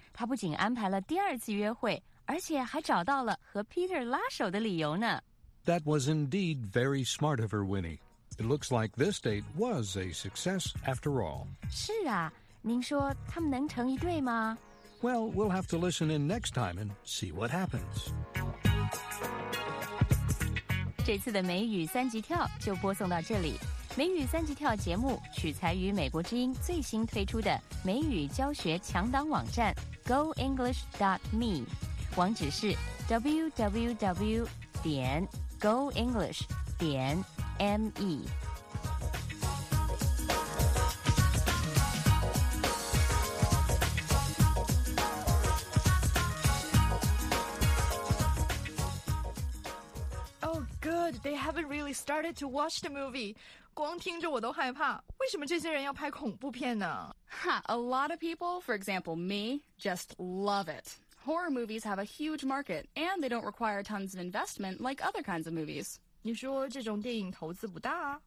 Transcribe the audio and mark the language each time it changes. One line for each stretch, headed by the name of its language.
Chinese: 她不仅安排了第二次约会，而且还找到了和 Peter 拉手的理由呢。
English: That was indeed very smart of her, Winnie. It looks like this date was a success after all.
Chinese: 是啊，您说他们能成一对吗？
English: Well, we'll have to listen in next time and see what happens.
Chinese: 这次的美语三级跳就播送到这里。美语三级跳节目取材于美国之音最新推出的美语教学强档网站 goenglish.me， 网址是 www.goenglish.me。
English: They haven't really started to watch the movie.
Chinese: 光听着我都害怕。为什么这些人要拍恐怖片呢？
English: A lot of people, for example me, just love it. Horror movies have a huge market, and they don't require tons of investment like other kinds of movies.
Chinese: 你说这种电影投资不大啊？